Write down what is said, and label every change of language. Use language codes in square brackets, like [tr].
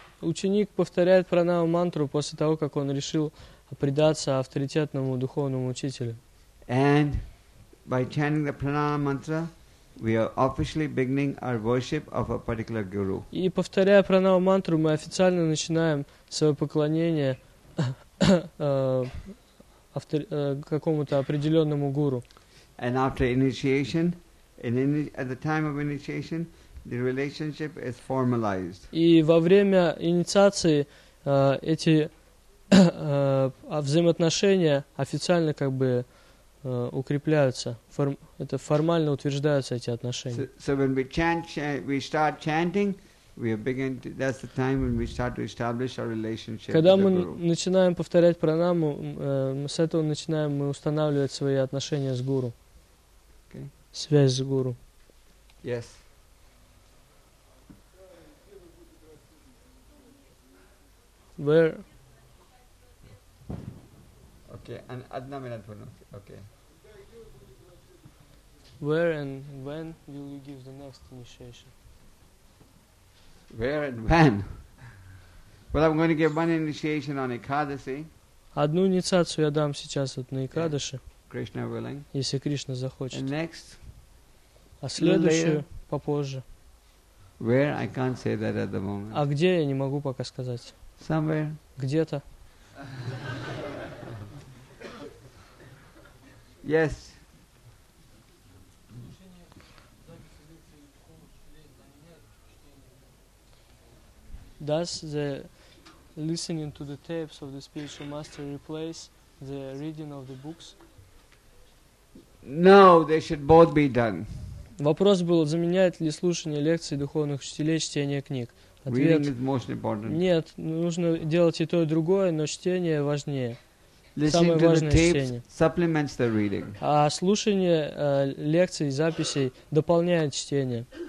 [ru] Ученик повторяет пранава мантру после того, как он решил предаться авторитетному духовному учителю. [en] And by chanting the pranava mantra, we are officially beginning our worship of a particular guru. [ru] И повторяя пранава мантру, мы официально начинаем свое поклонение какому-то определенному гуру. [en] And after initiation, at the time of initiation, the relationship is formalized. [ru] И во время инициации эти взаимоотношения официально как бы укрепляются, это формально утверждаются эти отношения. [en] So when we chant, we start chanting, we begin to, that's the time when we start to establish our relationship. [ru] Когда [en] with [ru] мы [en] the guru. [ru] Начинаем повторять пранаму, с этого начинаем мы устанавливать свои отношения с гуру. [en] Okay. [ru] Связь с гуру. [en] Yes. Where? Okay, and [ru] одна минута понял. [en] Okay. Where and when will you give the next initiation? Where and when? Well, I'm going to give one initiation on Ekadasi. [ru] Одну инициацию я дам сейчас вот на Экадыше, если Кришна захочет. [en] And next, [ru] а следующую попозже. [en] Where I can't say that at the moment. [ru] А где я не могу пока сказать? [en] Somewhere. [ru] Где-то. [en] Yes. Does the listening to the tapes of the spiritual master replace the reading of the books? No, they should both be done. [ru] Вопрос был, заменяет ли слушание лекций духовных учителей чтение книг? Ответ, нет, нужно делать и то, и другое, но чтение важнее. Самое важное чтение. А слушание лекций, записей дополняет чтение.